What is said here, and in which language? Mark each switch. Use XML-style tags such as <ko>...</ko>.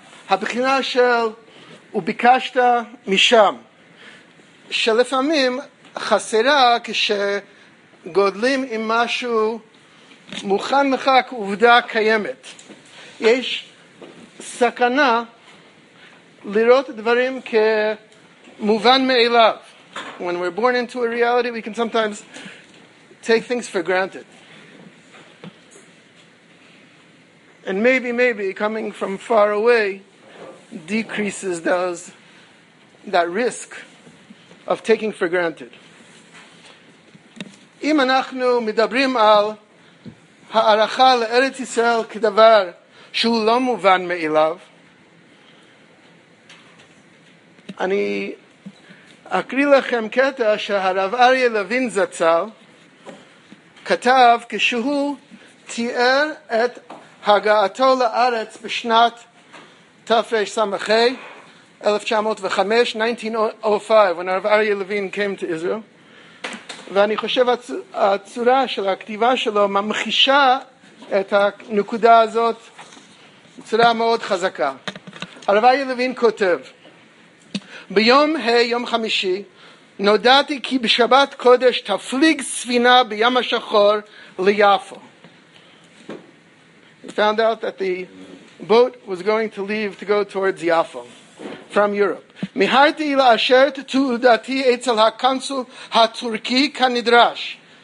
<he>הבחינה של וביקשת משם, שלפעמים חסרה כשגודלים עם משהו מוכן לך כעובדה קיימת. יש סכנה לראות דברים כמובן מאליו.</he> <en>When we're born into a reality, we can sometimes take things for granted. And maybe, coming from far away decreases that risk of taking for granted.</en> <he>אם אנחנו מדברים על הערכה לארץ ישראל כדבר שהוא לא מובן מאליו, אני אקריא לכם קטע שהרב אריה לוין זצ"ל כתב כשהוא תיאר את הגעתו לארץ בשנת תפש סמכי 1905, 1905,</he> <en>when הרב אריה לוין came to Israel.</en> <he>ואני חושב הצורה של הכתיבה שלו ממחישה את הנקודה הזאת בצורה מאוד חזקה. הרב אריה לוין כותב, ביום יום חמישי נודעתי כי בשבת קודש תפליג ספינה בים השחור ליפו.</he> <en>We found out that the boat was going to leave to go towards Yafo from Europe.</en> <he>מיהרתי לאשר את תעודתי אצל הקונסול הטורקי כנדרש.</he>